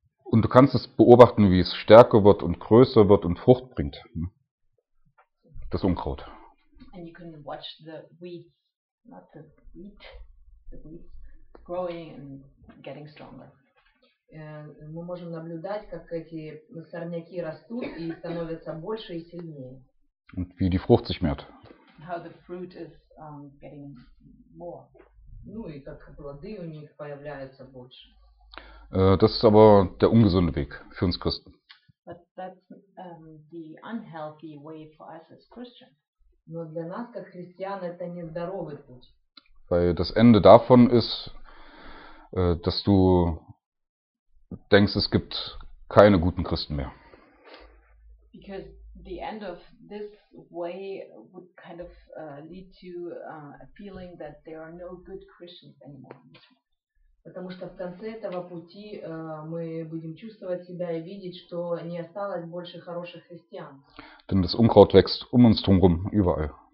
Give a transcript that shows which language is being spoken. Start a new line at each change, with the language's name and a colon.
German: Und du kannst es beobachten, wie es stärker wird und größer wird und Frucht bringt. Das Unkraut.
English: And you can watch the wheat. Not the wheat, the wheat growing and getting stronger.
Russian: Мы можем наблюдать, как эти сорняки растут и становятся больше и сильнее.
German: Und wie die Frucht sich mehrt.
English: How the fruit is getting more.
Russian: Ну и как плоды у них появляются больше.
German: Das ist aber der ungesunde Weg für uns Christen.
English: But that's the unhealthy way for us as Christians.
Russian: Но для нас, как христиан, это нездоровый путь.
German: Weil das Ende davon ist, dass du denkst, es gibt keine guten Christen mehr.
English: Because the end of this way would kind of lead to a feeling that there are no good Christians anymore.
Russian: Потому что в конце этого пути мы будем чувствовать себя и видеть, что не осталось больше хороших христиан.
German: Denn das Unkraut wächst um uns drumherum, überall.